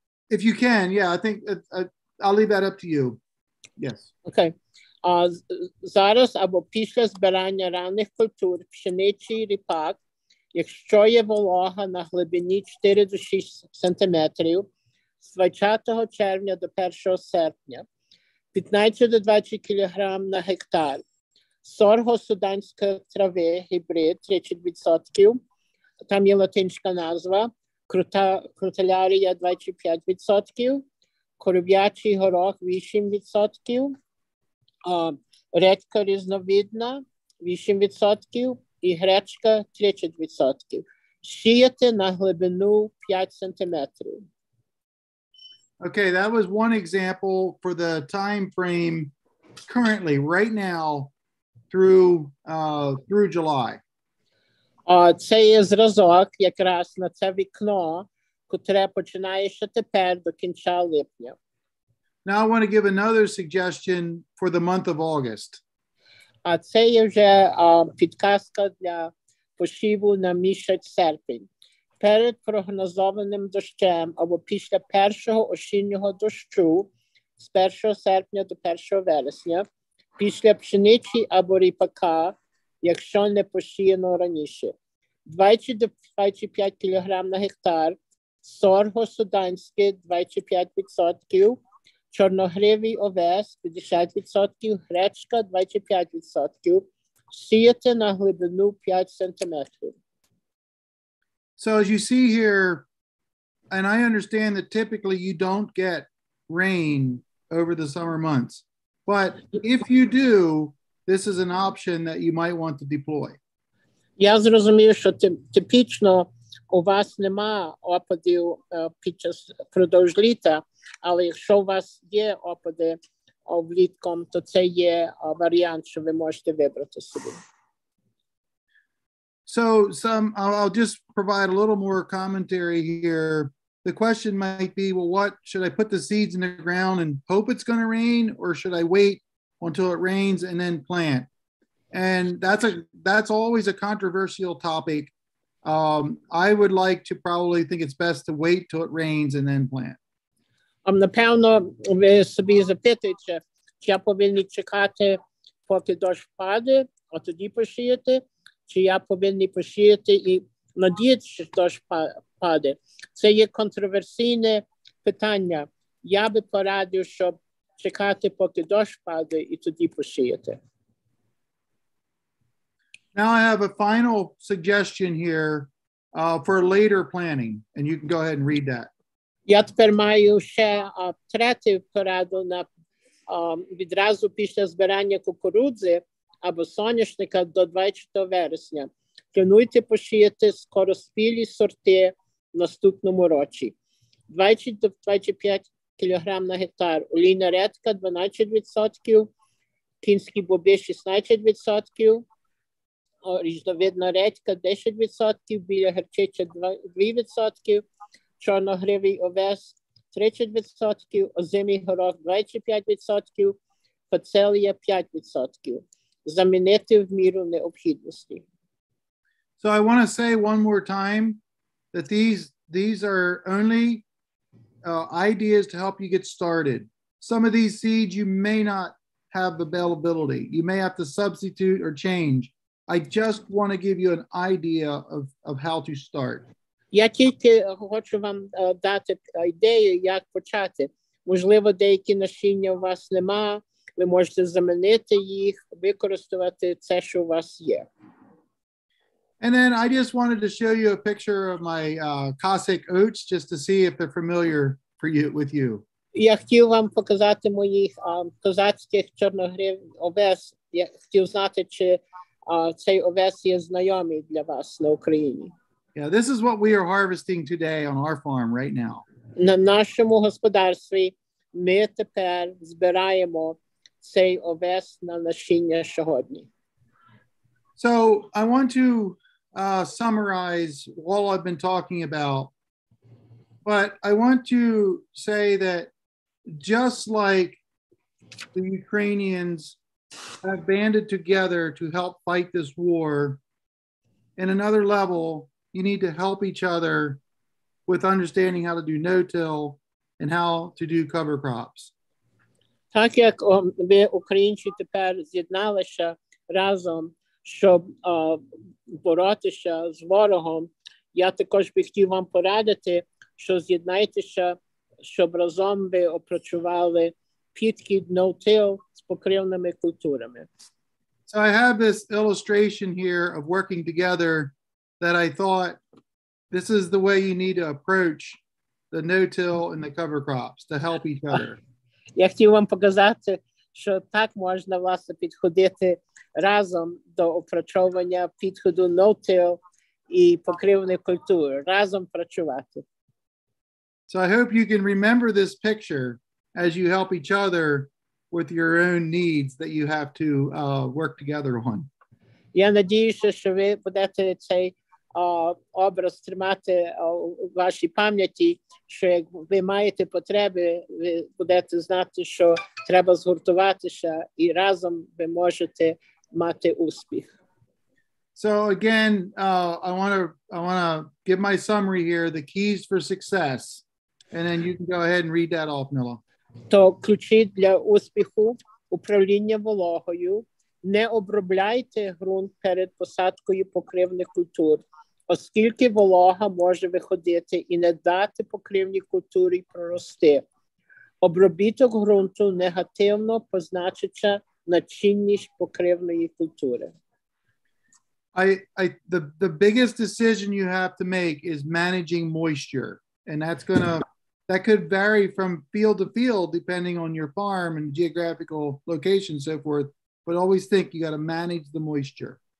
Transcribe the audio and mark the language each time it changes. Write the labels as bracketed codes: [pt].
[en] If you can, yeah, I think I'll leave that up to you. Yes. Okay. [uk] Зараз або після збирання ранніх культур, пшениці, ріпак, якщо є волога на глибині 4 до 6 сантиметрів, з 20 червня до 1 серпня, 15 до 20 кілограм на гектар, сорго-суданська трави, гібрид, 30%, там є латинська назва, крутелярія 25%, коров'ячий горох 8%, редька різновидна 8% і гречка 30%. Сіяти на глибину 5 сантиметрів. [en] Okay, that was one example for the time frame currently, right now, through through July. [uk] Це є зразок якраз на це вікно, котре починає ще тепер до кінця липня. [en] Now I want to give another suggestion for the month of August. [uk] Це є вже підказка для посіву на місяць серпень. Перед прогнозованим дощем або після першого осіннього дощу з 1 серпня до 1 вересня, після пшениці або ріпака, якщо не посіяно раніше. 20-25 кілограм на гектар, сорго-суданське 25%, чорногривий овес 50%, гречка 25%, сіяти на глибину 5 сантиметрів. [en] So as you see here, and I understand that typically you don't get rain over the summer months, but if you do, this is an option that you might want to deploy. [uk] Я зрозумів, що типічно у вас нема опадів під час впродовж літа, але якщо у вас є опади влітком, то це є варіант, що ви можете вибрати собі. [en] So some I'll just provide a little more commentary here. The question might be, well, what should I put the seeds in the ground and hope it's going to rain, or should I wait until it rains and then plant? And that's always a controversial topic. I would like to probably think it's best to wait till it rains and then plant. [uk] Напевно, ви собі запитуєте, чи я повинен чекати, поки дощ паде, а тоді посіяти, чи я повинен посіяти і надіятися, що дощ паде. Це є контроверсійне питання. Я би порадив, щоб чекати, поки дощ паде, і тоді посіяти. [en] Now I have a final suggestion here for later planning, and you can go ahead and read that. [uk] Я тепер маю ще третю пораду на відразу після збирання кукурудзи або соняшника до 24 вересня. Плануйте посіяти скороспілі сорти в наступному році. 20-25 кілограм на гектар, олійна редка 12%, кінські боби 16%, різновидна редька 10%, біля гарчича 2%, чорногривий овес 30%, озимий горох 25%, фацелія 5%. Замінити в міру необхідності. [en] So I want to say one more time that these are only ideas to help you get started. Some of these seeds you may not have availability. You may have to substitute or change. I just want to give you an idea of how to start. [uk] Я тільки хочу вам дати ідею, як почати. Можливо, деякі насіння у вас нема, ви можете замінити їх, використовувати це, що у вас є. [en] And then I just wanted to show you a picture of my Cossack oats, just to see if they're familiar for you with you. [uk] Я хотів вам показати моїх козацьких чорногрив овес. Я хотів знати, чи цей овес є знайомий для вас на Україні. [en] Yeah, this is what we are harvesting today on our farm right now. [uk] На нашому господарстві ми тепер збираємо цей овес на насіння сьогодні. [en] So I want to summarize all I've been talking about, but I want to say that just like the Ukrainians have banded together to help fight this war, in another level, you need to help each other with understanding how to do no-till and how to do cover crops. [uk] Так як ви, українці, тепер з'єдналися разом, щоб боротися з ворогом, я також би хотів вам порадити, що з'єднайтеся, щоб разом ви опрацювали підхід no-till з покривними культурами. [en] So I have this illustration here of working together that I thought this is the way you need to approach the no-till and the cover crops to help each other. [uk] Я хотів вам показати, що так можна, власне, підходити разом до опрацьовування підходу no-till і покривних культур, разом працювати. [en] So I hope you can remember this picture as you help each other with your own needs that you have to work together on. [uk] Я надіюся, що ви будете цей образ тримати у вашій пам'яті, що як ви маєте потреби, ви будете знати, що треба згуртуватися, і разом ви можете мати успіх. [en] So again, I want to give my summary here, the keys for success, and then you can go ahead and read that off, Nilo. [uk] То ключі для успіху управління вологою. Не обробляйте ґрунт перед посадкою покривних культур, оскільки волога може виходити і не дати покривній культурі прорости. Обробіток ґрунту негативно позначиться на чинність покривної культури. [en] The biggest decision you have to make is managing moisture, and that's going to that could vary from field to field depending on your farm and geographical location and so forth, but always think you got to manage the moisture.